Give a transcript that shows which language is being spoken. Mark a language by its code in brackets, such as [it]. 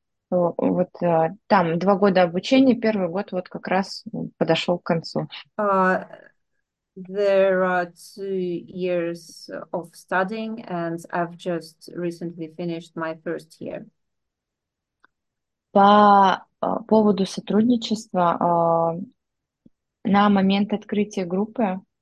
[ru] Вот там 2 года обучения, первый год вот как раз подошел к концу. [en] There are 2 years of studying, and I've just recently finished my first year. [ru] По поводу сотрудничества на момент открытия группы.